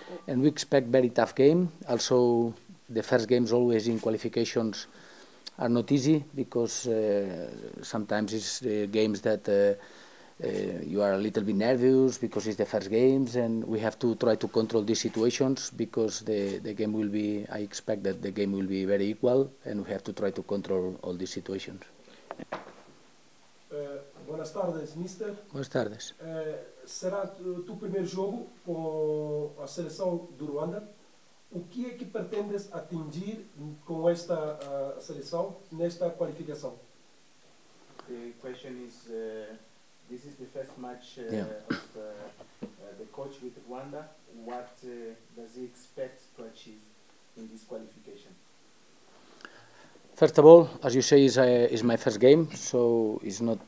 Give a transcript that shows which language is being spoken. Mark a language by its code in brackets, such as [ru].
[en] And we expect very tough game. Also, the first games always in qualifications are not easy, because sometimes it's games that you are a little bit nervous because it's the first games, and we have to try to control these situations, because the game will be, I expect that the game will be very equal, and we have to try to control all these situations. [es] Buenas tardes, Mister. Buenas tardes. [pt] Será tu primeiro jogo com a seleção do Ruanda. O que é que pretendes atingir com esta seleção nesta qualificação? [en] The question is, this is the first match of the coach with Ruanda. What does he expect to achieve in this qualification? First of all, as you say, is my first game, so it's not.